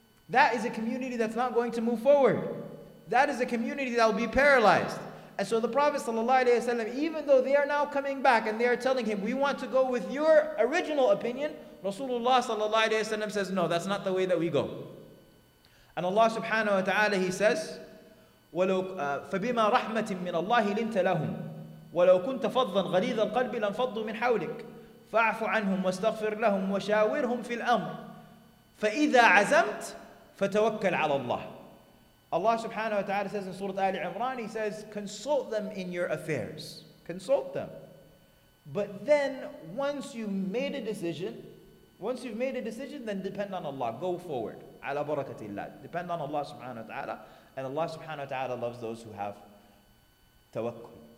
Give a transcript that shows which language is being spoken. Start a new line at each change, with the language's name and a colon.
English: That is a community that's not going to move forward. That is a community that will be paralyzed. And so the Prophet sallallahu alaihi wasallam, even though they are now coming back and they are telling him, we want to go with your original opinion, Rasulullah sallallahu alaihi wasallam says, no, that's not the way that we go. And Allah subhanahu wa ta'ala, he says,
Arabic: فَبِمَا رَحْمَةٍ مِّنَ اللَّهِ لِنْتَ لَهُمْ وَلَوْ كُنْتَ فَضًّا غَلِيظَ الْقَلْبِ لَنْفَضُّوا مِنْ حَوْلِكَ فَاعْفُ عَنْهُمْ وَاسْتَغْفِرْ لَهُمْ وَشَاوِرْهُمْ فِي الْأَمْرِ فَإِذَا عَزَمْتْ فَتَوَكَّلْ عَلَى اللَّهِ.
English: Allah subhanahu wa ta'ala says in Surah Ali Imran, he says, consult them in your affairs. Consult them. But then once you've made a decision, then depend on Allah. Go forward. Ala barakatillah. Depend on Allah subhanahu wa ta'ala. And Allah subhanahu wa ta'ala loves those who have tawakkul.